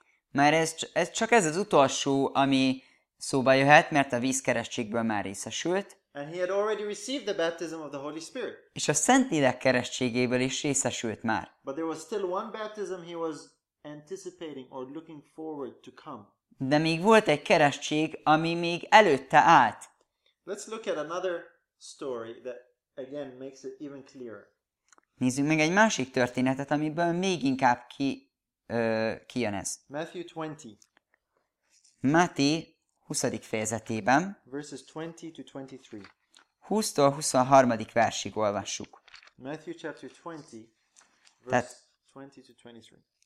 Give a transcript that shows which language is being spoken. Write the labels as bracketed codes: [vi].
[hu] Mert ez csak ez az utolsó, ami szóba jöhet, mert a vízkeresztségből már részesült. [en] And he had already received the baptism of the Holy Spirit. [hu] És a Szentlélek keresztségéből is részesült már. [en] But there was still one baptism he was anticipating or looking forward to come. [hu] De még volt egy keresztség, ami még előtte állt. [en] Let's look at another story that again makes it even clearer. [hu] Nézzük meg egy másik történetet, amiből még inkább kijön ez. [en] Matthew 20. [hu] Máté 20. fejezetében. [en] Verses 20 to 23. [hu] 20-tól 23. versig olvassuk. [en] Matthew chapter 20, verse 20 to 23.